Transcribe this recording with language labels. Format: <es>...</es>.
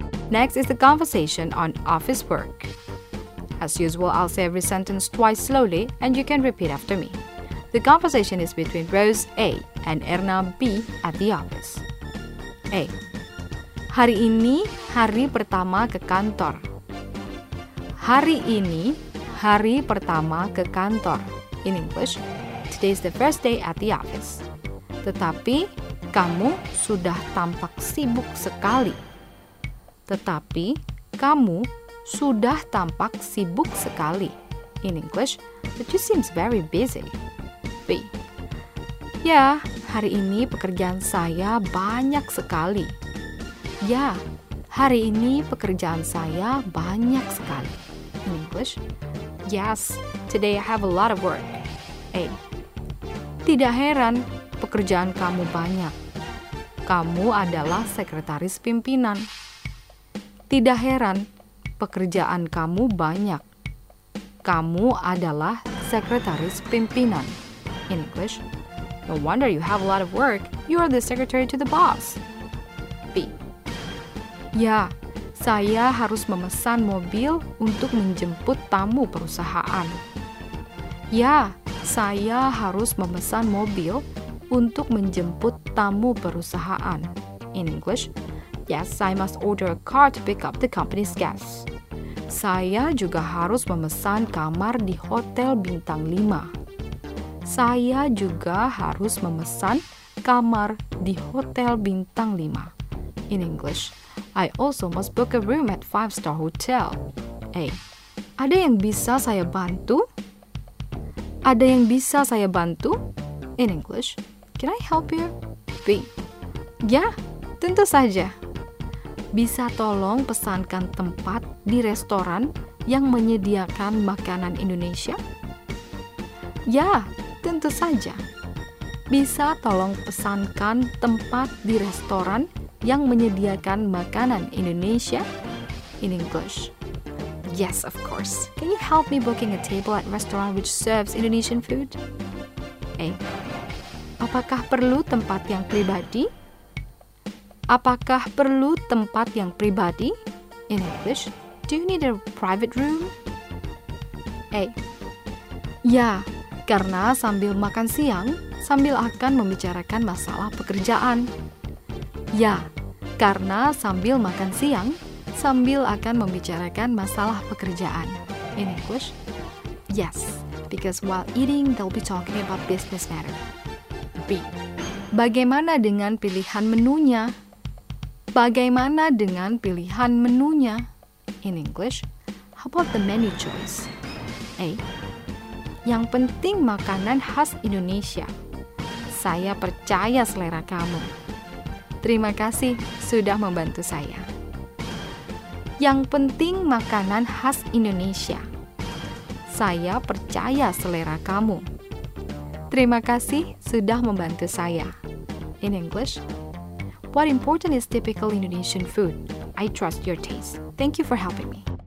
<en>Next is the conversation on office work. As usual, I'll say every sentence twice slowly and you can repeat after me. The conversation is between Rose A and Erna B at the office. A.</en> <id>Hari ini hari pertama ke kantor. Hari ini hari pertama ke kantor.</id> <en>In English, today is the first day at the office.</en> <id>Tetapi kamu sudah tampak sibuk sekali. Tetapi kamu sudah tampak sibuk sekali.</id> <en>In English, but you seems very busy. B.</en> <id>Ya, hari ini pekerjaan saya banyak sekali. Ya, hari ini pekerjaan saya banyak sekali.</id> <en>In English, yes, today I have a lot of work. A.</en> <id>Tidak heran pekerjaan kamu banyak. Kamu adalah sekretaris pimpinan. Tidak heran, pekerjaan kamu banyak. Kamu adalah sekretaris pimpinan.</id> <en>In English, no wonder you have a lot of work. You are the secretary to the boss.</en> <id>B. Ya, saya harus memesan mobil untuk menjemput tamu perusahaan. Ya, saya harus memesan mobil untuk menjemput tamu perusahaan.</id> <en>In English, yes, I must order a car to pick up the company's guests.</en> <id>Saya juga harus memesan kamar di hotel bintang 5. Saya juga harus memesan kamar di hotel bintang 5.</id> <en>In English, I also must book a room at 5-star hotel. A.</en> <id>Ada yang bisa saya bantu? Ada yang bisa saya bantu?</id> <en>In English, can I help you?</en> <id>B. Ya, tentu saja. Bisa tolong pesankan tempat di restoran yang menyediakan makanan Indonesia? Ya, tentu saja. Bisa tolong pesankan tempat di restoran yang menyediakan makanan Indonesia?</id> <en>In English. Yes, of course. Can you help me booking a table at restaurant which serves Indonesian food? A.</en> <id>Apakah perlu tempat yang pribadi? Apakah perlu tempat yang pribadi?</id> <en>In English, do you need a private room? A.</en> <id>Ya, karena sambil makan siang, sambil akan membicarakan masalah pekerjaan. Ya, karena sambil makan siang, sambil akan membicarakan masalah pekerjaan.</id> <en>In English, yes, because while eating, they'll be talking about business matter. B.</en> <id>Bagaimana dengan pilihan menunya? Bagaimana dengan pilihan menunya?</id> <en>In English, how about the menu choice?</en> <id>A. Yang penting makanan khas Indonesia. Saya percaya selera kamu. Terima kasih sudah membantu saya. Yang penting makanan khas Indonesia. Saya percaya selera kamu. Terima kasih sudah membantu saya.</id> <en>In English, what important is typical Indonesian food? I trust your taste. Thank you for helping me.</en>